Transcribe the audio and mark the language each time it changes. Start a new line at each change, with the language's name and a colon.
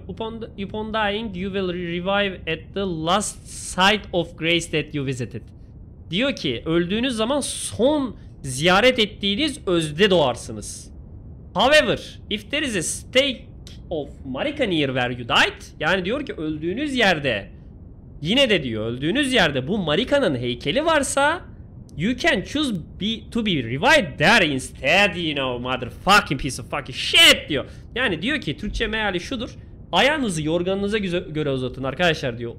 English: Upon dying you will revive at the last site of grace that you visited.
Turkish: Diyor ki öldüğünüz zaman son ziyaret ettiğiniz özde doğarsınız.
English: However, if there is a stake of Marika near where you died.
Turkish: Yani diyor ki öldüğünüz yerde, yine de diyor öldüğünüz yerde bu Marika'nın heykeli varsa,
English: you can choose to be revived there instead, you know, motherfucking piece of fucking shit diyor.
Turkish: Yani diyor ki Türkçe meali şudur. Ayağınızı yorganınıza göre uzatın arkadaşlar diyor.